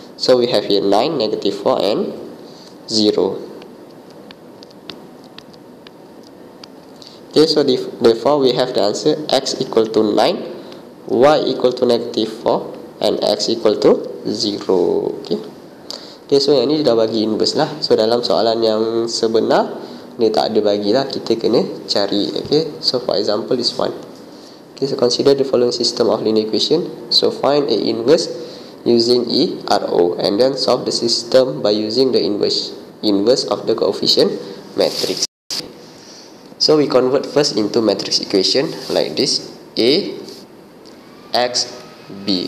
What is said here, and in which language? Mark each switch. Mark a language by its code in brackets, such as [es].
[en] So we have here 9, negative 4, and 0. Okay, so therefore we have the answer x equal to 9, y equal to negative 4, and x equal to 0. Okay. [ms] Okay, so yang ni dah bagi inverse lah. So dalam soalan yang sebenar ni tak ada bagilah, kita kena cari. [en] Okay, so for example this one. Okay, so consider the following system of linear equation. So find A inverse using E R O, and then solve the system by using the inverse of the coefficient matrix. So we convert first into matrix equation like this A x b.